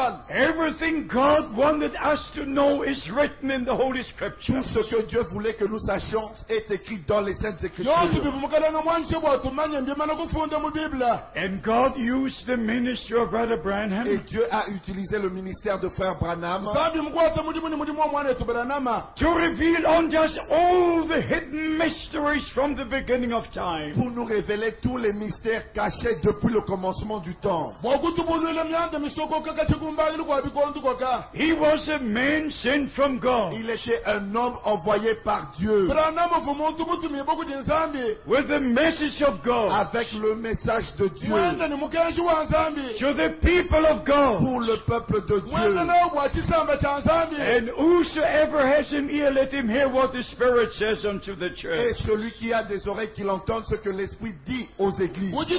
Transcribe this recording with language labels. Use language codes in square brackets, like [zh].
[en] Everything God wanted us to know is written in the Holy Scriptures. [fr] Tout ce que Dieu voulait que nous sachions est écrit dans les Saintes Écritures. [en] And God used the ministry of Brother Branham. [fr] Et Dieu a utilisé le ministère de Frère Branham. [en] To reveal unto us all the hidden mysteries from the beginning of time. [fr] Pour nous révéler tous les mystères cachés depuis le commencement du temps. [en] He was a man sent from God. [fr] Il était un homme envoyé par Dieu. [en] With the message of God. [fr] Avec le message de Dieu. [en] To the people of God. [fr] Pour le peuple de Dieu. [en] And whosoever has an ear, let him hear what the Spirit says unto the church. [fr] Et celui qui a des oreilles qu'il entende ce que l'Esprit dit aux églises.